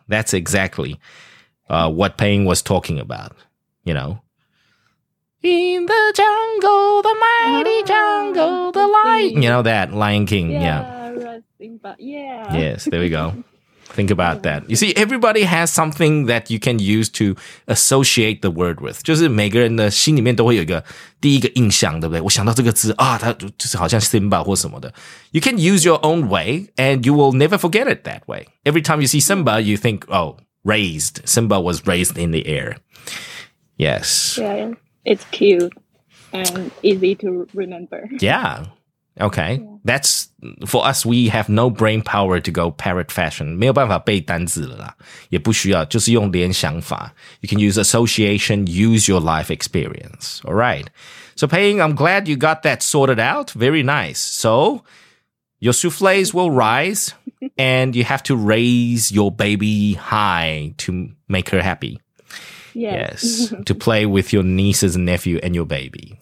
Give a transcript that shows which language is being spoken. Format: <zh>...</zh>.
<en>That's exactly what Payne was talking about, you know. In the jungle, the mighty jungle, the lion. You know that, Lion King, yeah. Yes, there we go. Think about that. You see, everybody has something that you can use to associate the word with.</en> <zh>就是每个人的心里面都会有一个第一个印象，对不对？我想到这个字啊，它就是好像Simba或什么的。</zh> <en>You can use your own way, and you will never forget it that way. Every time you see Simba, you think, oh, raised. Simba was raised in the air. Yes. Yeah, it's cute and easy to remember. Yeah. Okay. Yeah. That's for us. We have no brain power to go parrot fashion.</en> <zh>没有办法背单字了啦，也不需要，就是用联想法.</zh> <en>You can use association. Use your life experience. All right. So, Paying, I'm glad you got that sorted out. Very nice. So, your souffles will rise. And you have to raise your baby high to make her happy. Yes. To play with your nieces and nephew and your baby.</en>